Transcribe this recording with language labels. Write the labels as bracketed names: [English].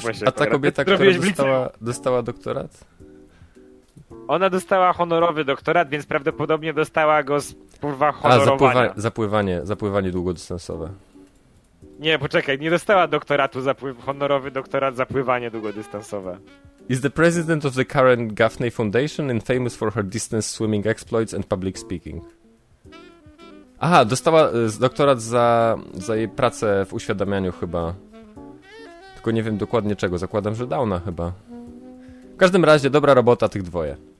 [Polish] A ta kobieta, która dostała doktorat? Ona dostała honorowy doktorat, więc prawdopodobnie dostała go z, kurwa, honorowania. A, zapływanie długodystansowe. Nie, poczekaj, nie dostała doktoratu, honorowy doktorat, zapływanie długodystansowe. [English] Is the president of the Karen Gaffney Foundation and famous for her distance swimming exploits and public speaking. [Polish] Aha, dostała doktorat za jej pracę w uświadamianiu chyba. Tylko nie wiem dokładnie czego, zakładam, że Downa chyba. W każdym razie, dobra robota tych dwoje.